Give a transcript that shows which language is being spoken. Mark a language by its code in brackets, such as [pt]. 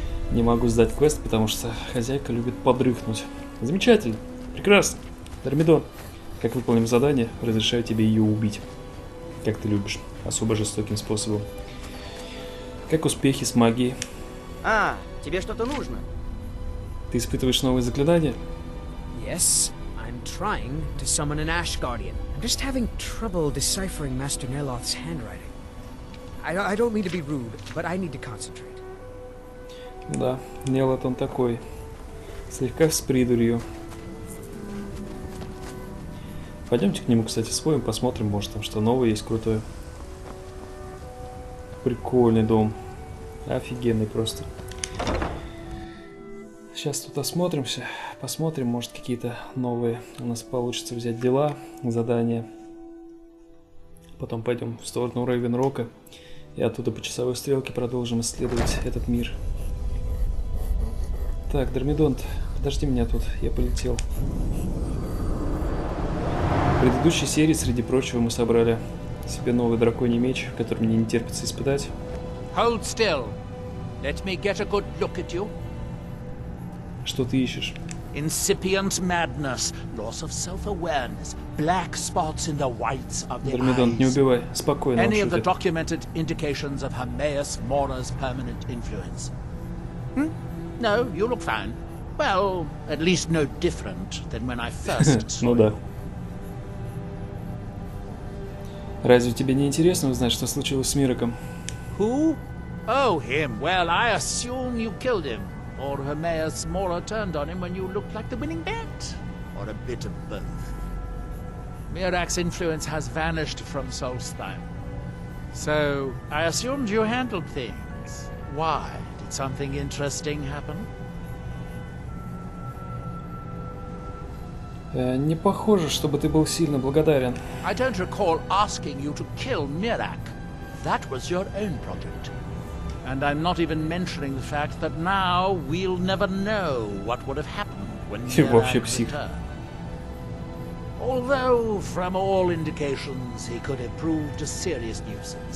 [ru] Не могу сдать квест, потому что хозяйка любит подрыхнуть. Замечательно. Прекрасно. Дормедон, как выполним задание, разрешаю тебе ее убить. Как ты любишь. Особо жестоким способом. Как успехи с магией? А, тебе что-то нужно? Ты испытываешь новые заклинания? [en] Yes, I'm trying to summon an Ash Guardian. I'm just having trouble deciphering Master Neloth's handwriting. I don't mean to be rude, but I need to concentrate. [ru] Да, Нелот он такой. Слегка с придурью. Пойдемте к нему, кстати, споем, посмотрим, может, там что новое есть крутое. Прикольный дом. Офигенный просто. Сейчас тут осмотримся, посмотрим, может, какие-то новые у нас получится взять дела, задания. Потом пойдем в сторону Рейвенрока. И оттуда по часовой стрелке продолжим исследовать этот мир. Так, Дормедонт, подожди меня тут, я полетел. В предыдущей серии, среди прочего, мы собрали себе новый драконий меч, который мне не терпится испытать. [en] Hold still. Let me get a good look at you. [ru] Что ты ищешь? [en] Incipient madness, loss of self-awareness, black spots in the whites of the [ru] Дормедонт, [en] eyes. [ru] Не убивай. Спокойно, [en] any of the documented indications of Hermaeus Mora's permanent influence? Hmm? No, you look fine. Well, at least no different than when I first saw [ru] Ну да. Разве тебе не интересно узнать, что случилось с Мироком? [en] Who? Oh, him. Well, I assume you killed him. Or Hermaeus Mora turned on him when you looked like the winning bet. Or a bit of both. Mirak's influence has vanished from Solstheim. So, I assumed you handled things. Why? Did something interesting happen? [ru] Не похоже, чтобы ты был сильно благодарен. [en] I don't recall asking you to kill Mirak. That was your own project. And I'm not even mentioning the fact that now we'll never know what would have happened when Mirak returned. Although, from all indications, he could have proved a serious nuisance.